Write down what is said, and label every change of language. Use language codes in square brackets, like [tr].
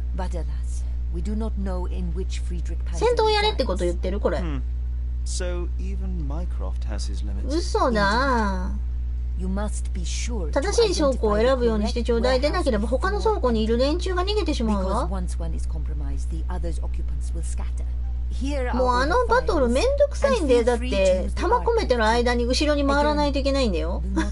[ja] 戦闘やれってこと言ってるこれ。 [en] So even Mycroft has his limits. [ja] 嘘だ。 [en] You must be sure. [ja] 正しい倉庫を選ぶようにしてちょうだい。出なければ他の倉庫にいる連中が逃げてしまうわ。 [en] Because once one is compromised, the others' occupants will scatter. [ja] Here, もうあのバトルめんどくさいんで、だって弾込めてる間に後ろに回らないといけないんだよ。